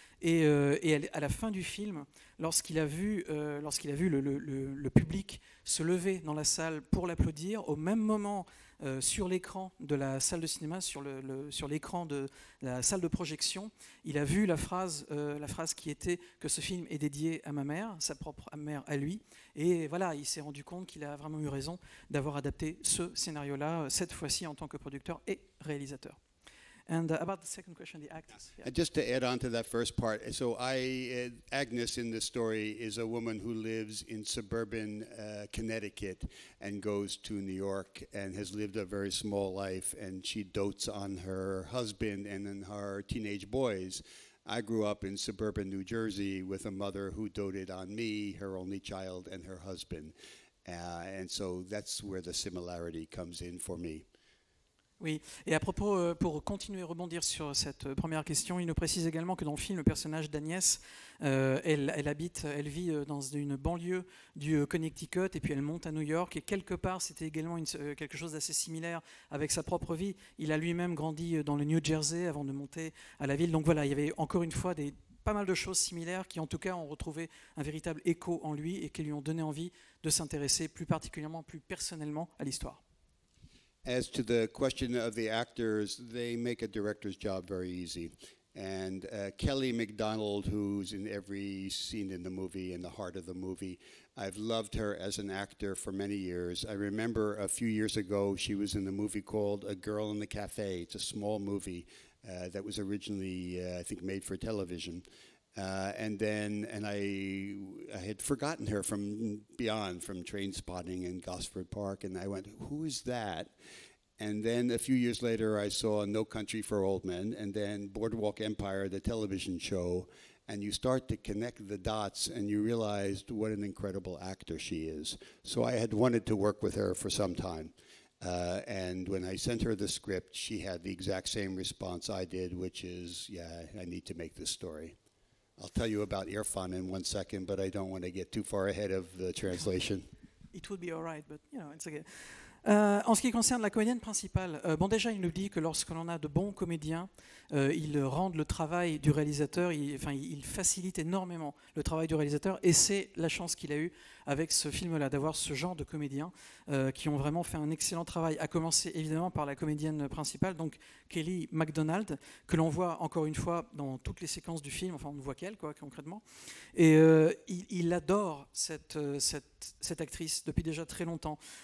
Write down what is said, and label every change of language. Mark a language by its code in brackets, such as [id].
[fr] Et à la fin du film, lorsqu'il a vu le public se lever dans la salle pour l'applaudir, au même moment, sur l'écran de la salle de cinéma, sur l'écran de la salle de projection, il a vu la phrase qui était que ce film est dédié à ma mère, sa propre mère à lui. Et voilà, il s'est rendu compte qu'il a vraiment eu raison d'avoir adapté ce scénario-là, cette fois-ci en tant que producteur et réalisateur. [en] And about the second question, the actors. Yeah. Just to add on to that first part, so Agnes in the story is a woman who lives in suburban Connecticut and goes to New York and has lived a very small life, and she dotes on her husband and then her teenage boys. I grew up in suburban New Jersey with a mother who doted on me, her only child, and her husband. And so that's where the similarity comes in for me. [fr] Oui, et à propos, pour continuer à rebondir sur cette première question, il nous précise également que dans le film, le personnage d'Agnès, elle vit dans une banlieue du Connecticut, et puis elle monte à New York, et quelque part, c'était également quelque chose d'assez similaire avec sa propre vie. Il a lui-même grandi dans le New Jersey avant de monter à la ville. Donc voilà, il y avait encore une fois pas mal de choses similaires qui, en tout cas, ont retrouvé un véritable écho en lui et qui lui ont donné envie de s'intéresser plus particulièrement, plus personnellement à l'histoire. [en] As to the question of the actors, they make a director's job very easy. And Kelly MacDonald, who's in every scene in the movie, in the heart of the movie, I've loved her as an actor for many years. I remember a few years ago, she was in the movie called A Girl in the Cafe. It's a small movie that was originally, I think, made for television. And then I had forgotten her from beyond, from Trainspotting and Gosford Park, and I went, who is that? And then a few years later, I saw No Country for Old Men, and then Boardwalk Empire, the television show, and you start to connect the dots, and you realize what an incredible actor she is. So I had wanted to work with her for some time. And when I sent her the script, she had the exact same response I did, which is, yeah, I need to make this story. I'll tell you about Irfan in one second, but I don't want to get too far ahead of the translation. It would be all right, but you know, it's okay. [fr] En ce qui concerne la comédienne principale, bon déjà il nous dit que lorsque l'on a de bons comédiens, ils rendent le travail du réalisateur, ils facilitent énormément le travail du réalisateur, et c'est la chance qu'il a eue avec ce film-là, d'avoir ce genre de comédiens qui ont vraiment fait un excellent travail, à commencer évidemment par la comédienne principale, donc Kelly MacDonald, que l'on voit encore une fois dans toutes les séquences du film, enfin on ne voit qu'elle quoi, concrètement, et il adore cette actrice depuis déjà très longtemps.